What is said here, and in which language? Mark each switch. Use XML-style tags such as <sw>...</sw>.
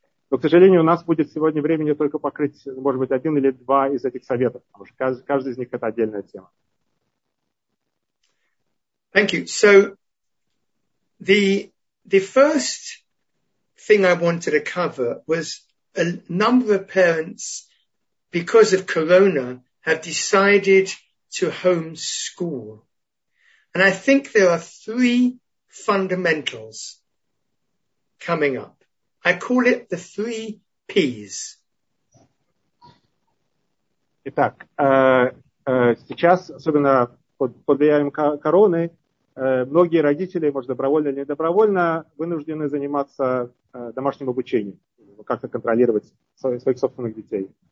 <ru>Но, к сожалению, у нас будет сегодня времени только покрыть, может быть, один или два из этих советов, потому что каждый из них – это отдельная тема.</ru> <en>Thank you. So the first thing I wanted to cover was a number of parents, because of Corona, have decided to homeschool. And I think there are three fundamentals coming up. I call it the three P's.</en> <ru>Итак, сейчас, особенно под влиянием короны, многие родители, может, добровольно или недобровольно, вынуждены заниматься домашним обучением, как-то контролировать своих собственных детей.</ru>